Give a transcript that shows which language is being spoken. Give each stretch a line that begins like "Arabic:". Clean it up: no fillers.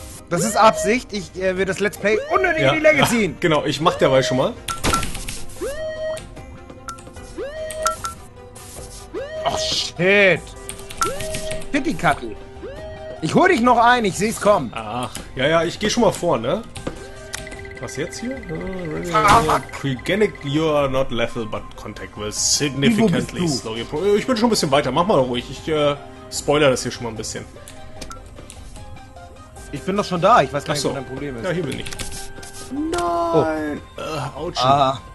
German: Das ist Absicht, ich will das Let's Play unnötig in die Länge ziehen. Ja, genau, ich mach derweil schon mal. Shit! Pittikattel! Ich hol dich noch ein, ich seh's kommen! Ach, ja, ja, ich geh schon mal vor, ne? Was jetzt hier?
English: Cryogenic, you are not lethal, but contact will significantly slow your progress.
German: Ich bin schon ein bisschen weiter, mach mal ruhig, ich spoiler das hier schon mal ein bisschen. Ich bin doch schon da, ich weiß gar nicht, was dein Problem ist. Ja, hier bin ich. Nein! Autsch! Oh.